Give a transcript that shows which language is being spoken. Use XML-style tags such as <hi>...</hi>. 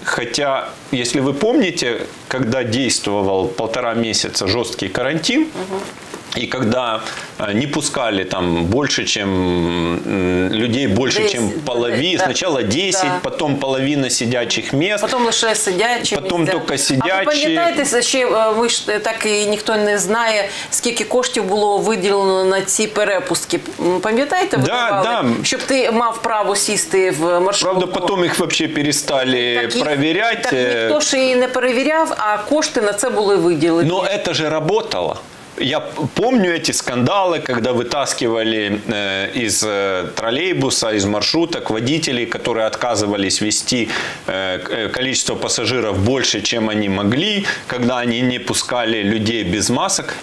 <ru>Хотя, если вы помните, когда действовал 1,5 месяца жесткий карантин, и когда не пускали там больше, чем людей, больше, 10, чем половина, да, сначала 10, да, потом половина сидячих мест. Потом лише сидячие. Потом места. Только сидячие.</ru> <uk>А вы пам'ятаєте, ще, ви ж так і ніхто не знає, скільки коштів було виділено на ці перепуски. Пам'ятаєте?</uk> <ru>Да, да.</ru> <uk>Щоб ти мав право сісти в маршрутку.</uk> <ru>Правда, потом їх вообще перестали проверять.</ru> <uk>Так, ніхто ж її не перевіряв, а кошти на це були виділені.</uk> <ru>Но это же работало. Я помню эти скандалы, когда вытаскивали из троллейбуса, из маршруток водителей, которые отказывались вести количество пассажиров больше, чем они могли, когда они не пускали людей без масок.</ru>